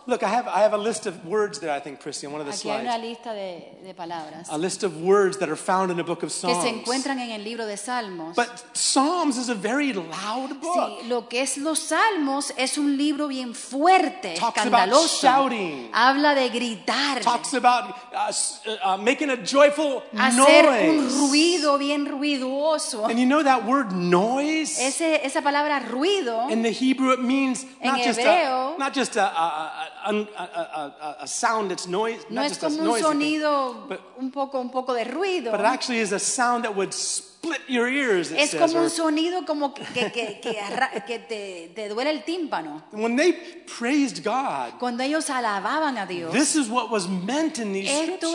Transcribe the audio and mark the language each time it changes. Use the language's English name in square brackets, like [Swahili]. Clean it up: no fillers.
[English] Look, I have a list of words there, I think, Christy, on one of the [Spanish] aquí [English] slides. [Spanish] Aquí hay una lista de palabras. [English] A list of words that are found in the book of Psalms. [Spanish] Que se encuentran en el libro de Salmos. [English] But Psalms is a very loud book. [Spanish] Sí, lo que es los Salmos es un libro bien fuerte, [English] talks [Spanish] escandaloso. [English] Talks about shouting. [Spanish] Habla de gritar. [English] Talks about making a joyful [Spanish] hacer [English] noise. [Spanish] Hacer un ruido bien ruidoso. [English] And you know that word noise? [Spanish] Esa palabra ruido. [English] In the Hebrew, it means not just a sound that's noise. [Spanish] No es como un sonido un poco de ruido. [English] But it actually is a sound that would split your ears. [Spanish] Es como un sonido como que te duele el tímpano. [English] When they praised God, [Spanish] cuando ellos alababan a Dios, [English] this is what was meant in these scriptures.